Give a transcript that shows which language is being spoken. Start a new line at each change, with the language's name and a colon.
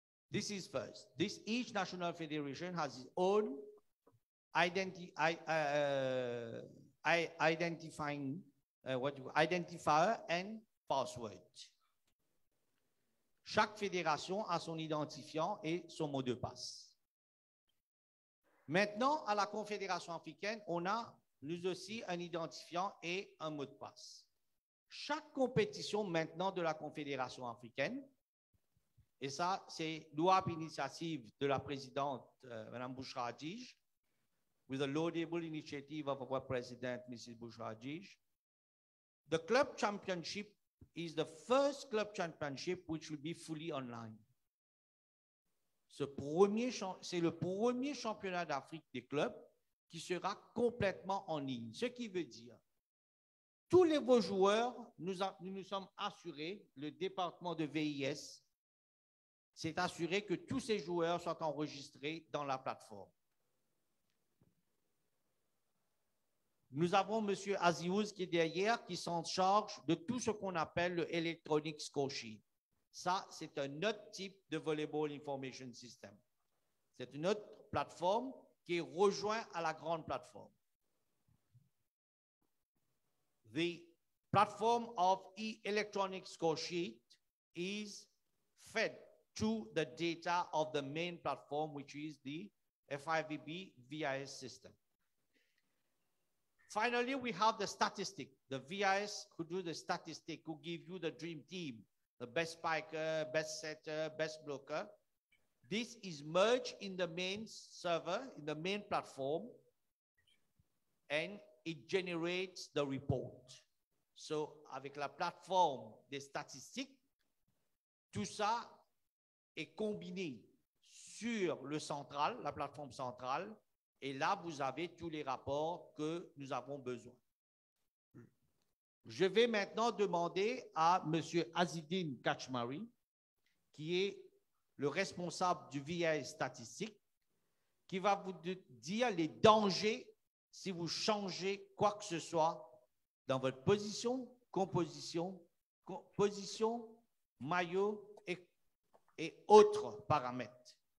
English: This is first. This each national federation has its own identifier and password.
French: Chaque fédération a son identifiant et son mot de passe. Maintenant, à la Confédération africaine, on a nous aussi un identifiant et un mot de passe. Chaque compétition maintenant de la Confédération africaine, et ça, c'est loi initiative de la présidente, Mme Bouchra Hadjidj,
English: with the laudable initiative of our president, Mrs. Bouchra Hadjidj, the club championship is the first club championship which will be fully online.
French: C'est le premier championnat d'Afrique des clubs qui sera complètement en ligne. Ce qui veut dire, tous les vos joueurs, nous sommes assurés, le département de VIS s'est assuré que tous ces joueurs soient enregistrés dans la plateforme. Nous avons M. Aziouz qui est derrière, qui s'en charge de tout ce qu'on appelle le Electronic Scoresheet. Ça, c'est un autre type de Volleyball Information System. C'est une autre plateforme qui est rejointe à la grande plateforme.
English: The platform of Electronic Scoresheet is fed to the data of the main platform, which is the FIVB VIS system. Finally, we have the statistic, the VIS who do the statistic, who give you the dream team, the best spiker, best setter, best blocker. This is merged in the main server, in the main platform, and it generates the report.
French: So, avec la plateforme des statistiques, tout ça est combiné sur le central, la plateforme centrale. Et là, vous avez tous les rapports que nous avons besoin. Je vais maintenant demander à M. Azidin Kachmari, qui est le responsable du VIS statistique, qui va vous dire les dangers si vous changez quoi que ce soit dans votre position, composition, position, maillot et autres paramètres.